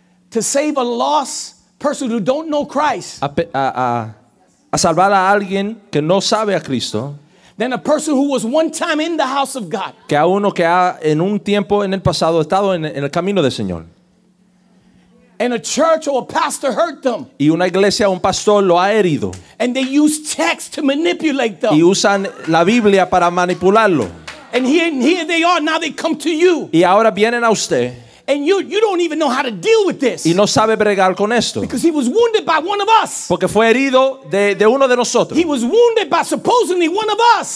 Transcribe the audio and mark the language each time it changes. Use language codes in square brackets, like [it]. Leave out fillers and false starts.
[en] To save a lost person who don't know Christ. [es] A salvar a alguien que no sabe a Cristo. [en] Than a person who was one time in the house of God. [es] Que a uno que ha en un tiempo en el pasado estado en el camino del Señor. [en] And a church or a pastor hurt them. [es] Y una iglesia o un pastor lo ha herido. [en] And they use text to manipulate them. [es] Y usan la Biblia para manipularlo. [en] And here they are, now they come to you. [es] Y ahora vienen a usted. [en] And you don't even know how to deal with this. [es] Y no sabe bregar con esto. [en] Because he was wounded by one of us. [es] Porque fue herido de uno de nosotros. [en] He was wounded by supposedly one of us.